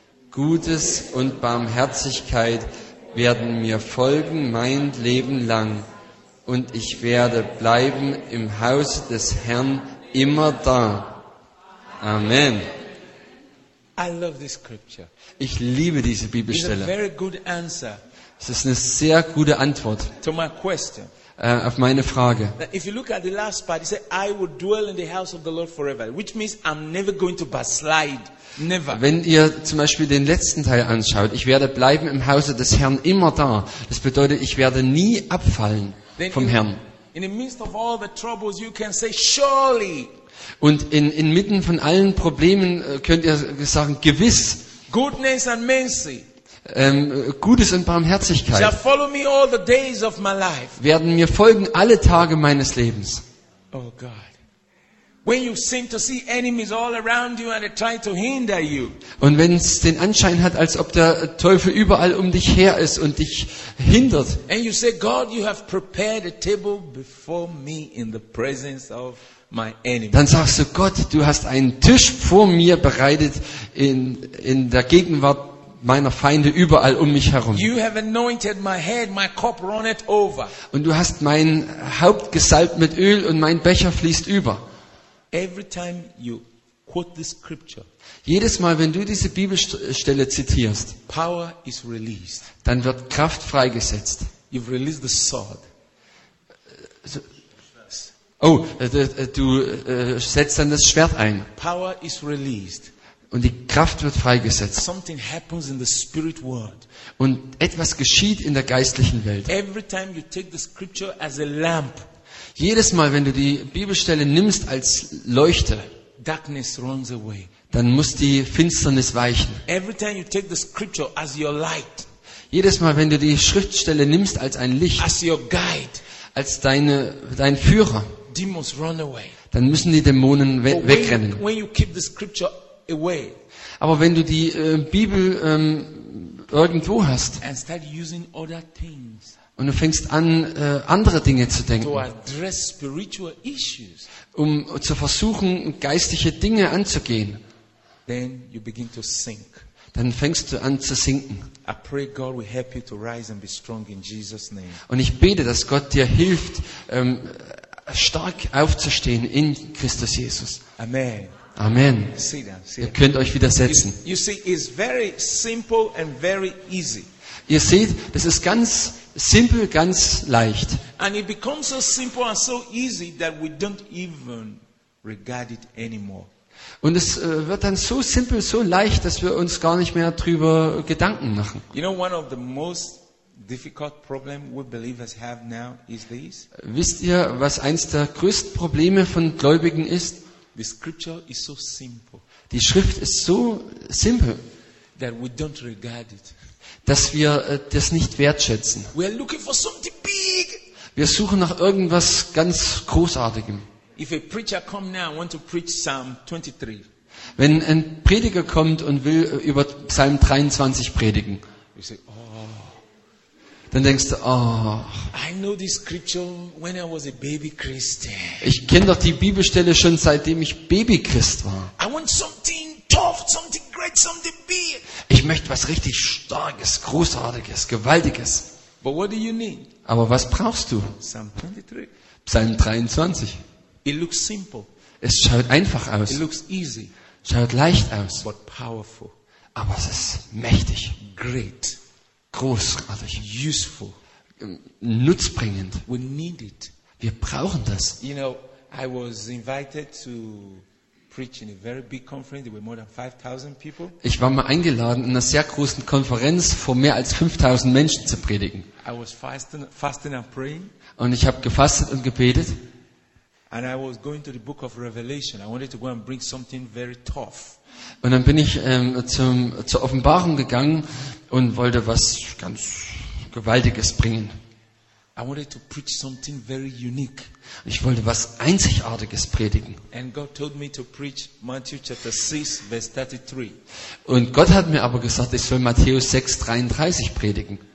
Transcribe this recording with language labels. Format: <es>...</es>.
<de>Gutes und Barmherzigkeit werden mir folgen mein Leben lang, und ich werde bleiben im Hause des Herrn immer da. Amen.</de> <en>I love this scripture.</en> <de>Ich liebe diese Bibelstelle.</de> <en>It's a very good answer.</en> <de>Es ist eine sehr gute Antwort</de> <en>to my question.</en> <de>Auf meine Frage.</de> <en>If you look at the last part, it says, I will dwell in the house of the Lord forever, which means I'm never going to backslide. Never.</en> <de>Wenn ihr zum Beispiel den letzten Teil anschaut, ich werde bleiben im Hause des Herrn immer da. Das bedeutet, ich werde nie abfallen vom Herrn.</de> <en>In the midst of all the troubles, you can say, surely.</en> <de>Und inmitten von allen Problemen könnt ihr sagen, gewiss.</de> <en>Goodness and mercy.</en> <de>Gutes und Barmherzigkeit.</de> <en>Shall follow me all the days of my life.</en> <de>Werden mir folgen alle Tage meines Lebens. Oh Gott.</de> <en>When you seem to see enemies all around you and they try to hinder you.</en> <de>Und wenn es den Anschein hat, als ob der Teufel überall um dich her ist und dich hindert.</de> <en>And you say, God, you have prepared a table before me in the presence of my enemies.</en> <de>Dann sagst du, Gott, du hast einen Tisch vor mir bereitet in der Gegenwart meiner Feinde überall um mich herum.</de> <en>You have anointed my head, my cup runneth over.</en> <de>Und du hast mein Haupt gesalbt mit Öl und mein Becher fließt über.</de> <en>Every time you quote the scripture,</en> <de>jedes Mal, wenn du diese Bibelstelle zitierst,</de> <en>power is released.</en> <de>Dann wird Kraft freigesetzt.</de> <en>You've released the sword.</en> <de>Setzt dann das Schwert ein.</de> <en>Power is released.</en> <de>Und die Kraft wird freigesetzt.</de> <en>Something happens in the spirit world.</en> <de>Und etwas geschieht in der geistlichen Welt.</de> <en>Every time you take the scripture as a lamp.</en> <de>Jedes Mal, wenn du die Bibelstelle nimmst als Leuchte,</de> <en>darkness runs away.</en> <de>Dann muss die Finsternis weichen.</de> <en>Every time you take the scripture as your light.</en> <de>Jedes Mal, wenn du die Schriftstelle nimmst als ein Licht,</de> <en>as your guide.</en> <de>Als dein Führer,</de> <en>demons run away.</en> <de>Dann müssen die Dämonen wegrennen.</de> <en>When you keep the scripture away,</en> <de>Aber wenn du die Bibel irgendwo hast</de> <en>and start using other things,</en> <de>und du fängst an, andere Dinge zu denken,</de> <en>to address spiritual issues,</en> <de>um zu versuchen, geistige Dinge anzugehen,</de> <en>then you begin to sink.</en> <de>Dann fängst du an zu sinken.</de> <en>I pray God will help you to rise and be strong in Jesus' name.</en> <de>Und ich bete, dass Gott dir hilft, stark aufzustehen in Christus Jesus. Amen. Amen.</de> <en>Sit down, sit down.</en> <de>Ihr könnt euch wieder setzen.</de> <en>You see, it's very simple and very easy.</en> <de>Ihr seht, das ist ganz simpel, ganz leicht.</de> <en>And it becomes so simple and so easy that we don't even regard it anymore.</en> <de>Und es wird dann so simpel, so leicht, dass wir uns gar nicht mehr drüber Gedanken machen.</de> <en>You know, one of the most difficult problem we believers have now is this.</en> <de>Wisst ihr, was eins der größten Probleme von Gläubigen ist?</de> <en>The scripture is so simple.</en> <de>Die Schrift ist so simpel,</de> <en>that we don't regard it.</en> <de>Dass wir das nicht wertschätzen.</de> <en>We are looking for something big.</en> <de>Wir suchen nach irgendwas ganz Großartigem.</de> <en>If a preacher comes now and wants to preach Psalm 23.</en> <de>Wenn ein Prediger kommt und will über Psalm 23 predigen.</de> <en>You say, oh.</en> <de>Dann denkst du, oh.</de> <en>I know this scripture when I was a baby Christian.</en> <de>Ich kenne doch die Bibelstelle schon seitdem ich Babychrist war.</de> <en>I want something tough, something great, something big.</en> <de>Ich möchte was richtig Starkes, Großartiges, Gewaltiges.</de> <en>But what do you need?</en> <de>Aber was brauchst du?</de> <en>Psalm 23.</en> <de>Psalm 23.</de> <en>It looks simple.</en> <de>Es schaut einfach aus.</de> <en>It looks easy.</en> <de>Schaut leicht aus.</de> <en>But powerful.</en> <de>Aber es ist mächtig.</de> <en>Great.</en> <de>Großartig.</de> <en>Useful.</en> <de>Nutzbringend.</de> <en>We need it.</en> <de>Wir brauchen das.</de> <en>You know, I was invited to preach in a very big conference. There were more than 5,000 people.</en> <de>Ich war mal eingeladen, in einer sehr großen Konferenz vor mehr als 5,000 Menschen zu predigen.</de> <en>I was fasting and praying.</en> <de>Und ich habe gefastet und gebetet.</de> <en>And I was going to the book of Revelation. I wanted to go and bring something very tough.</en> <de>Und dann bin ich zur Offenbarung gegangen und wollte was ganz Gewaltiges bringen.</de> <en>I wanted to preach something very unique.</en> <de>Ich wollte was Einzigartiges predigen.</de> <en>And God told me to preach Matthew chapter 6 verse 33.</en> <de>Und Gott hat mir aber gesagt, ich soll Matthäus 6, 33 predigen.</de>